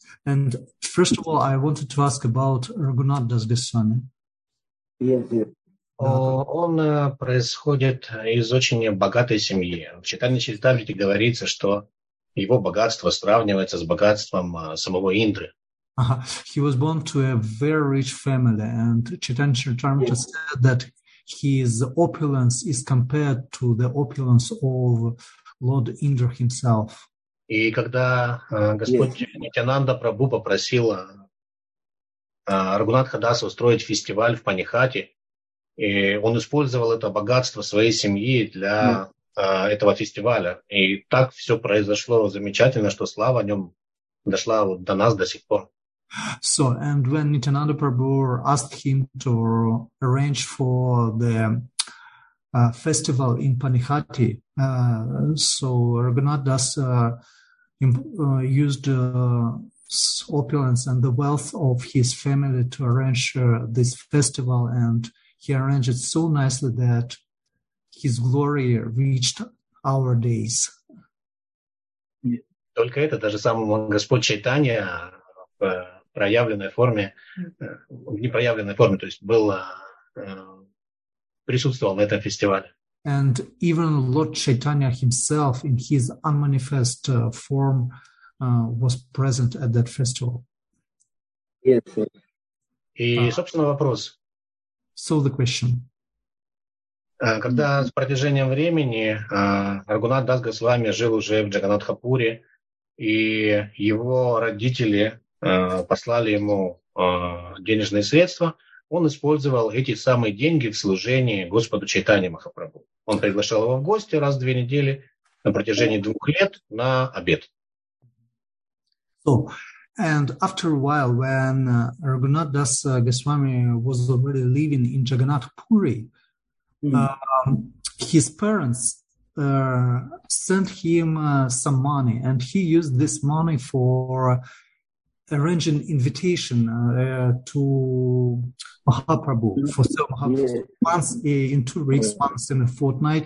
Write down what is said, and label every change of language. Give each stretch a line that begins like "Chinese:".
English: And first of all, I wanted to ask about Рагунатх Дас Госвами. Yes, yes.
Russian: Да. Он происходит из очень богатой семьи. В Чайтанья Чаритамрите говорится, что его богатство сравнивается с богатством самого Индры.
English: He was born to a very rich family, and Chaitanya Charitamrita said that his opulence is compared to the opulence of Lord Indra himself.
Russian: И когда Господь Нитянанда Прабху попросил Рагунатха Даса устроить фестиваль в Панихате, и он использовал это богатство своей семьи для этого фестиваля. И так все произошло замечательно, что слава о нем дошла вот до нас до сих пор.
English: So, and when Nityananda Prabhu asked him to arrange for the festival in Panihati, so Raghunath Das used opulence and the wealth of his family to arrange this festival, and he arranged it so nicely that his glory reached our days.
Russian: Только это, даже сам Господь Чайтанья в проявленной форме, в непроявленной форме, то есть был, присутствовал на этом фестивале.
English: And even Lord Chaitanya himself in his unmanifest form was present at that festival. Yes.
Russian: И, собственно, вопрос.
English: So the question.
Russian: Когда с протяжением времени Рагунатх Дас Госвами жил уже в Джаганнатхапуре, и его родители послали ему денежные средства, он использовал эти самые деньги в служении Господу Чайтанье Махапрабху. Он приглашал его в гости раз в две недели на протяжении двух лет на обед.
English: So, and after a while, when Рагунатх Дас Госвами was already living in Jagannathpuri, his parents sent him some money, and he used this money for arranging invitation to Mahaprabhu for some once in 2 weeks, once in a fortnight.